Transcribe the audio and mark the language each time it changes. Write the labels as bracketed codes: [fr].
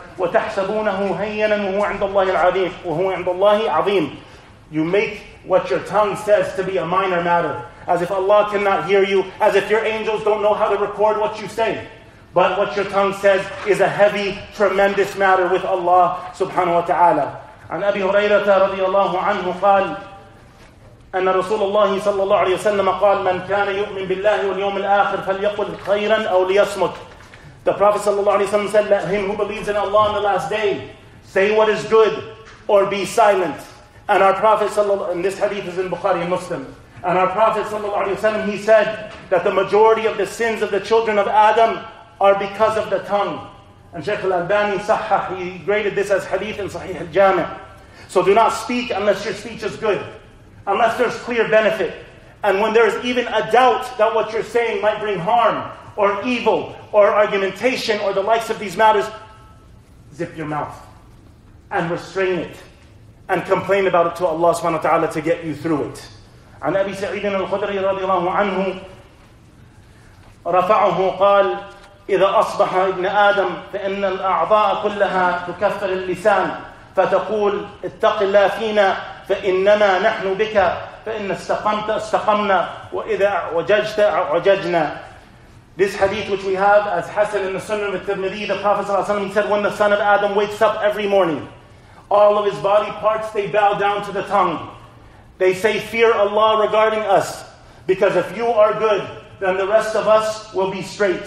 [ar] وَتَحْسَبُونَهُ هَيَّنًا وَهُوَ عِنْدَ اللَّهِ الْعَظِيمِ وَهُوَ عِنْدَ اللَّهِ عَظِيمٍ. [en] You make what your tongue says to be a minor matter. As if Allah cannot hear you. As if your angels don't know how to record what you say. But what your tongue says is a heavy, tremendous matter with Allah subhanahu wa ta'ala. [ar] عن أبي هريرة رضي الله عنه قال أن رسول الله صلى الله عليه وسلم قال من كان يؤمن بالله واليوم الآخر فليقل خيرا أو ليصمت. [en] The Prophet صلى الله عليه وسلم said, let him who believes in Allah on the last day say what is good or be silent. And our Prophet صلى الله عليه وسلم, and this hadith is in Bukhari and Muslim. And our Prophet صلى الله عليه وسلم, he said that the majority of the sins of the children of Adam are because of the tongue. And Shaykh al-Albani, Sahih, he graded this as hadith in Sahih al-Jami'. So do not speak unless your speech is good. Unless there's clear benefit. And when there's even a doubt that what you're saying might bring harm, or evil, or argumentation, or the likes of these matters, zip your mouth. And restrain it. And complain about it to Allah subhanahu wa ta'ala to get you through it. [ar] An Abi Sa'id al-Khudri radiallahu anhu, rafa'ahu qal, إذا أصبح ابن آدم فإن الأعضاء كلها تكفر اللسان فتقول اتق الله فينا فإننا نحن بك فإن استقمت استقمنا وإذا وججت عججنا. [en] This hadith which we have as Hassan in the Sunnah of Tirmidhi, the Prophet صلى الله عليه وسلم said, when the son of Adam wakes up every morning, all of his body parts, they bow down to the tongue. They say, fear Allah regarding us, because if you are good, then the rest of us will be straight.